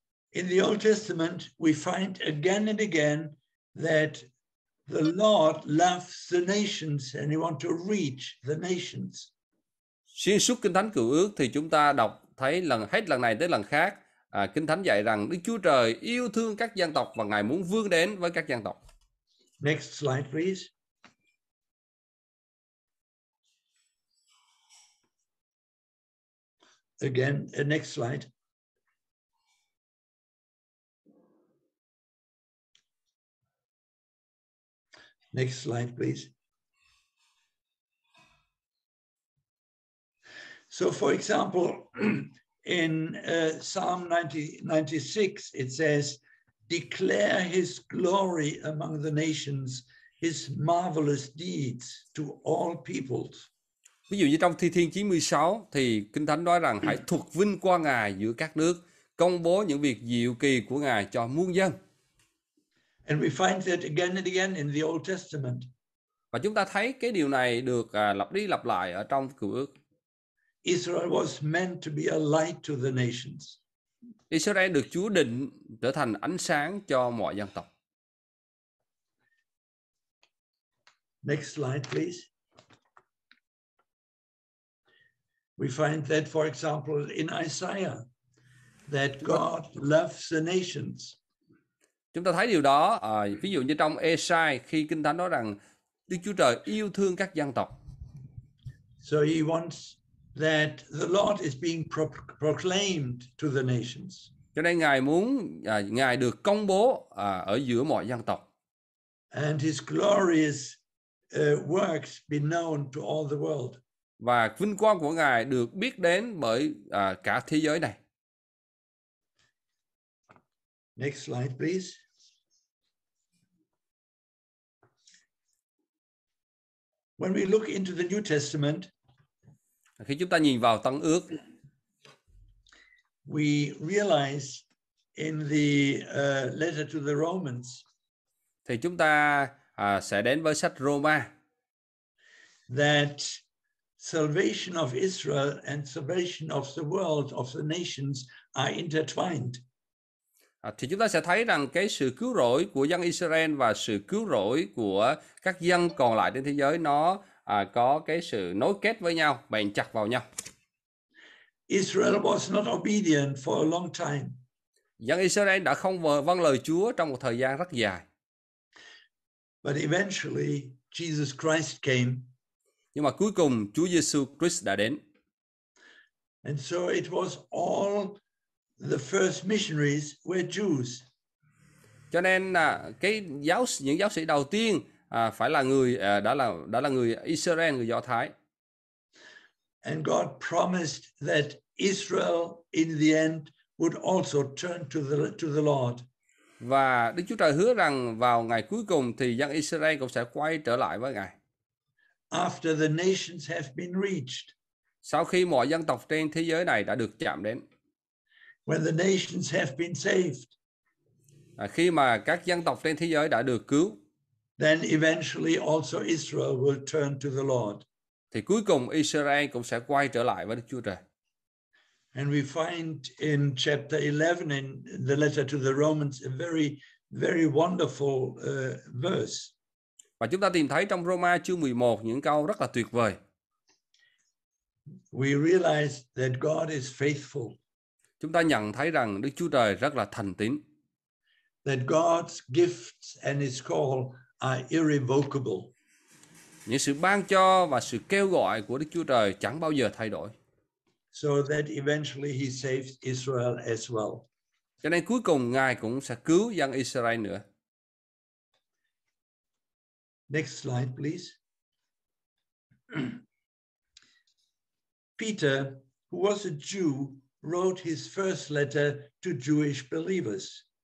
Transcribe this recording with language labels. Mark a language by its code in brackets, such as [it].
[en] In the Old Testament, we find again and again that the Lord loves the nations and he wants to reach the nations. [vi] Xuyên suốt Kinh Thánh Cựu Ước thì chúng ta đọc thấy lần hết lần này tới lần khác, Kinh Thánh dạy rằng Đức Chúa Trời yêu thương các dân tộc và Ngài muốn vươn đến với các dân tộc. [en] Next slide, please. Again, next slide. Next slide, please. So, for example, in Psalm 96, it says, declare his glory among the nations, his marvelous deeds to all peoples. [vi] Ví dụ như trong Thi Thiên 96 thì Kinh Thánh nói rằng hãy thuộc vinh qua Ngài giữa các nước, công bố những việc diệu kỳ của Ngài cho muôn dân. [en] And we find that again and again in the Old Testament. [vi] Và chúng ta thấy cái điều này được lặp đi lặp lại ở trong Cựu Ước. [en] Israel was meant to be a light to the nations. [vi] Israel được Chúa định trở thành ánh sáng cho mọi dân tộc. [en] Next slide, please. We find that, for example, in Isaiah, that God loves the nations. [vi] Chúng ta thấy điều đó, ví dụ như trong Esai, khi Kinh Thánh nói rằng Đức Chúa Trời yêu thương các dân tộc. [en] So he wants that the Lord is being proclaimed to the nations. [vi] Cho nên Ngài muốn Ngài được công bố ở giữa mọi dân tộc. [en] And his glorious works be known to all the world. [vi] Và vinh quang của Ngài được biết đến bởi cả thế giới này. [en] Next slide, please. When we look into the New Testament, [vi] khi chúng ta nhìn vào Tân Ước, [en] we realize in the letter to the Romans, [vi] thì chúng ta sẽ đến với sách Roma, [en] that salvation of Israel and salvation of the world of the nations are intertwined. [vi] Thì chúng ta sẽ thấy rằng cái sự cứu rỗi của dân Israel và sự cứu rỗi của các dân còn lại trên thế giới nó có cái sự nối kết với nhau, bền chặt vào nhau. [en] Israel was not obedient for a long time. [vi] Dân Israel đã không vâng lời Chúa trong một thời gian rất dài. [en] But eventually Jesus Christ came. [vi] Nhưng mà cuối cùng Chúa Giêsu Christ đã đến. [en] And so it was all the first missionaries were Jews. [vi] Cho nên những giáo sĩ đầu tiên phải là người đã là người Israel, người Do Thái. [en] And God promised that Israel in the end would also turn to the Lord. [vi] Và Đức Chúa Trời hứa rằng vào ngày cuối cùng thì dân Israel cũng sẽ quay trở lại với Ngài. [en] After the nations have been reached. [vi] Sau khi mọi dân tộc trên thế giới này đã được chạm đến. [en] When the nations have been saved. [vi] Khi mà các dân tộc trên thế giới đã được cứu. [en] Then eventually also Israel will turn to the Lord. [vi] Thì cuối cùng Israel cũng sẽ quay trở lại với Đức Chúa Trời. [en] And we find in chapter 11 in the letter to the Romans a very, very wonderful verse. [vi] Và chúng ta tìm thấy trong Roma chương 11 những câu rất là tuyệt vời. [en] We realize that God is faithful. [vi] Chúng ta nhận thấy rằng Đức Chúa Trời rất là thành tín. [en] That God's gifts and his call are irrevocable. [vi] Những sự ban cho và sự kêu gọi của Đức Chúa Trời chẳng bao giờ thay đổi. [en] So that eventually he saves Israel as well. [vi] Cho nên cuối cùng Ngài cũng sẽ cứu dân Israel nữa. [en] Next slide, please. Peter, who was a Jew, wrote his first letter to Jewish believers.